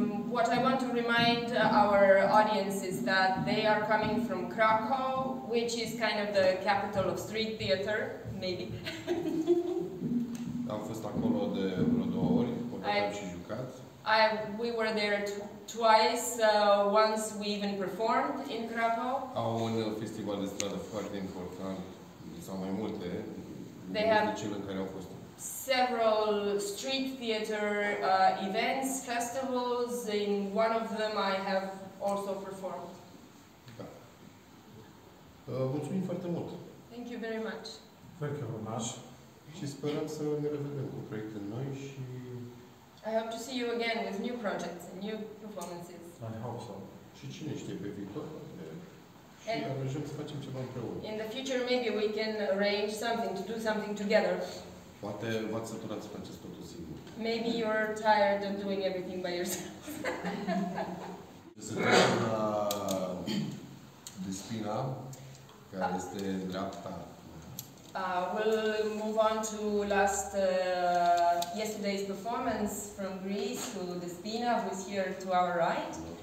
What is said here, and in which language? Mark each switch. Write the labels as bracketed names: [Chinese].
[English] What I want to remind our audience is that they are coming from Krakow, which is kind of the capital of street theater, maybe. [Romanian] Am fost acolo de vreo două ori, odată și jucat. [English] We were there twice, once we even performed in Krakow. [Romanian] Au un festival de stradă foarte important, sau mai multe, de cele în care au fost. [English] Several street theater events, festivals, in one of them I have also performed. [Romanian] Mulțumim foarte mult! [English] Thank you very much! Thank you very much! [Romanian] Și sperăm să ne revedem cu proiecte noi și... [English] I hope to see you again with new projects and new performances. I hope so. [Romanian] Și cine știe pe viitor? Și arrangem să facem ceva împreună. [English] In the future maybe we can arrange something, to do something together. [Romanian] Poate v-ați săturat să faceți totul singur. [English] Maybe you're tired of doing everything by yourself. [Romanian] Suntem la Despina, care este în dreapta. [English] We'll move on to last yesterday's performance from Greece to Despina, who is here to our right.